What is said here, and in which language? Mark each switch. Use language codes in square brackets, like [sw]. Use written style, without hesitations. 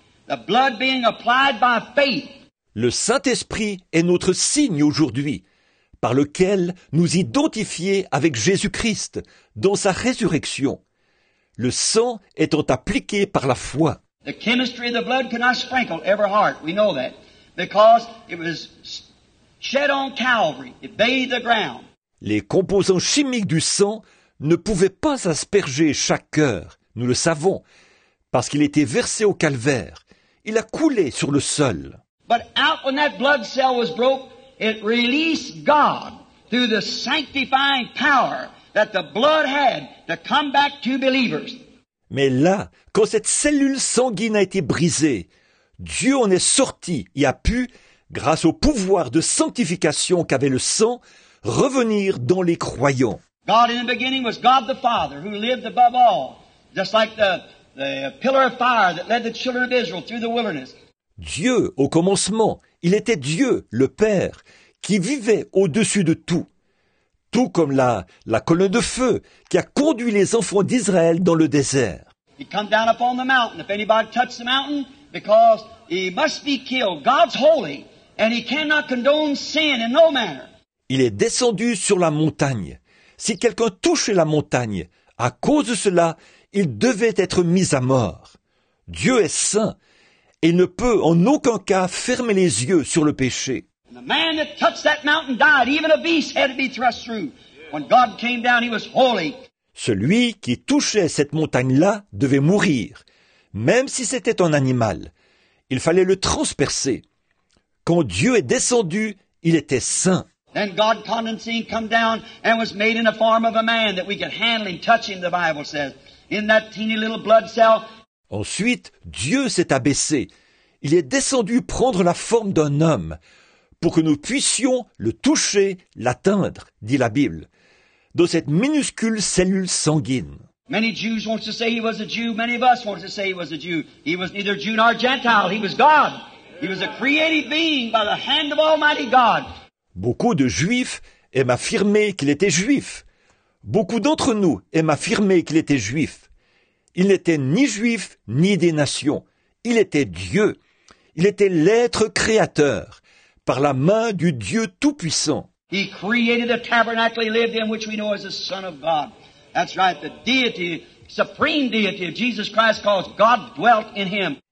[en] The blood being applied by faith. [fr] Le Saint-Esprit est notre signe aujourd'hui, par lequel nous identifier avec Jésus-Christ dans sa résurrection. Le sang étant appliqué par la foi. [en] The chemistry of the blood cannot sprinkle every heart. We know that. Because it was shed on Calvary, it bathed the ground. [fr] Les composants chimiques du sang ne pouvaient pas asperger chaque cœur, nous le savons, parce qu'il était versé au calvaire. Il a coulé sur le sol. [en] But out when that blood cell was broke, it released God through the sanctifying power that the blood had to come back to believers. [fr] Mais là, quand cette cellule sanguine a été brisée, Dieu en est sorti et a pu, grâce au pouvoir de sanctification qu'avait le sang, revenir dans les croyants. [en] God in the beginning was God the Father who lived above all, just like the pillar of fire that led the children of Israel through the wilderness. [fr] Dieu, au commencement, il était Dieu, le Père, qui vivait au-dessus de tout, tout comme la colonne de feu qui a conduit les enfants d'Israël dans le désert. [en] He came down upon the mountain, if anybody touched the mountain, because he must be killed. God's holy, and he cannot condone sin in no manner. [fr] Il est descendu sur la montagne. Si quelqu'un touchait la montagne, à cause de cela, il devait être mis à mort. Dieu est saint et ne peut en aucun cas fermer les yeux sur le péché. [en] And the man that touched that mountain died. Even a beast had to be thrust through. When God came down, he was holy. [fr] Celui qui touchait cette montagne-là devait mourir, même si c'était un animal. Il fallait le transpercer. Quand Dieu est descendu, il était saint. [en] Then God condescending come down and was made in the form of a man that we could handle him, touch him, the Bible says, in that teeny little blood cell. [fr] Ensuite, Dieu s'est abaissé. Il est descendu prendre la forme d'un homme pour que nous puissions le toucher, l'atteindre, dit la Bible, dans cette minuscule cellule sanguine. [en] Many Jews want to say he was a Jew. Many of us want to say he was a Jew. He was neither Jew nor Gentile. He was God. He was a created being by the hand of Almighty God. [fr] Beaucoup de Juifs aiment affirmer qu'il était Juif. Beaucoup d'entre nous aiment affirmer qu'il était Juif. Il n'était ni Juif ni des nations. Il était Dieu. Il était l'être créateur par la main du Dieu Tout-Puissant. [en] He created the tabernacle he lived in, which we know as the Son of God. That's right, the deity, supreme deity of Jesus Christ calls God dwelt in him.